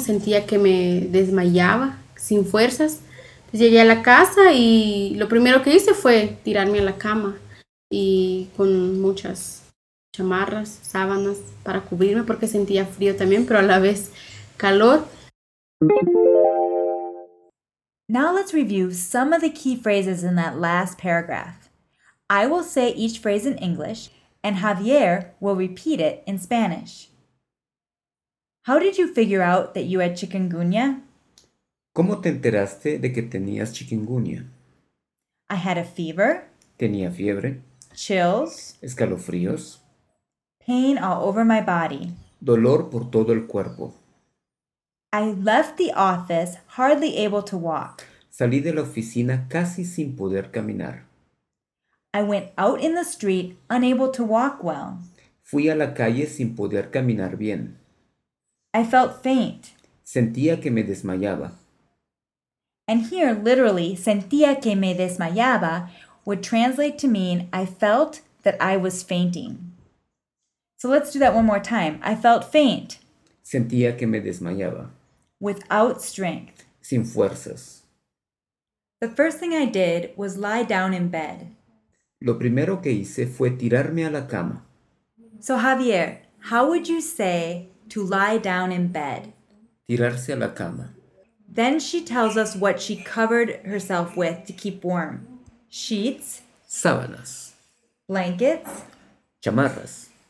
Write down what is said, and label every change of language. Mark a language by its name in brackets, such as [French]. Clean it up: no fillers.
[Spanish] Sentía que me desmayaba, sin fuerzas. Entonces llegué a la casa y lo primero que hice fue tirarme a la cama. Y con muchas chamarras, sábanas para cubrirme porque sentía frío también, pero a la vez calor. [English] Now let's review some of the key phrases in that last paragraph. I will say each phrase in English, and Javier will repeat it in Spanish. How did you figure out that you had chikungunya? [Spanish] ¿Cómo te enteraste de que tenías chikungunya? [English] I had a fever. [Spanish] Tenía fiebre. [English] Chills. [Spanish] Escalofríos. [English] Pain all over my body. [Spanish] Dolor por todo el cuerpo. [English] I left the office hardly able to walk. [Spanish] Salí de la oficina casi sin poder caminar. [English] I went out in the street unable to walk well. [Spanish] Fui a la calle sin poder caminar bien. [English] I felt faint. [Spanish] Sentía que me desmayaba. [English] And here, literally, [Spanish] sentía que me desmayaba [English] would translate to mean I felt that I was fainting. So let's do that one more time. I felt faint. [Spanish] Sentía que me desmayaba. [English] Without strength. [Spanish] Sin fuerzas. [English] The first thing I did was lie down in bed. [Spanish] Lo primero que hice fue tirarme a la cama. [English] So Javier, how would you say to lie down in bed? [Spanish] Tirarse a la cama. [English] Then she tells us what she covered herself with to keep warm. Sheets. [Spanish] Sábanas. [English] Blankets. [Spanish] Chamarras.